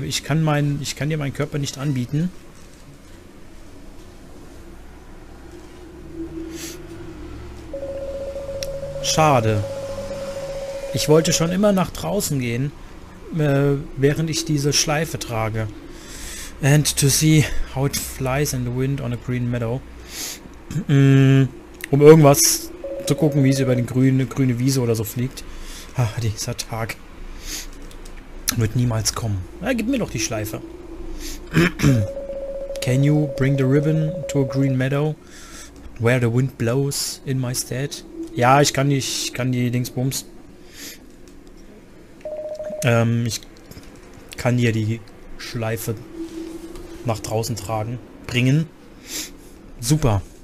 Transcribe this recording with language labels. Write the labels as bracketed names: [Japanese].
[German] Ich kann dir meinen Körper nicht anbieten. Schade. Ich wollte schon immer nach draußen gehen, während ich diese Schleife trage. [English] And to see how it flies in the wind on a green meadow. [German] Um irgendwas zu gucken, wie sie über die grüne Wiese oder so fliegt. Ah, dieser Tag wird niemals kommen. Na, gib mir doch die Schleife. [English] Can you bring the ribbon to a green meadow where the wind blows in my stead? [German] Ja, ich kann die Dingsbums. Ich kann hier die Schleife nach draußen tragen, bringen. Super.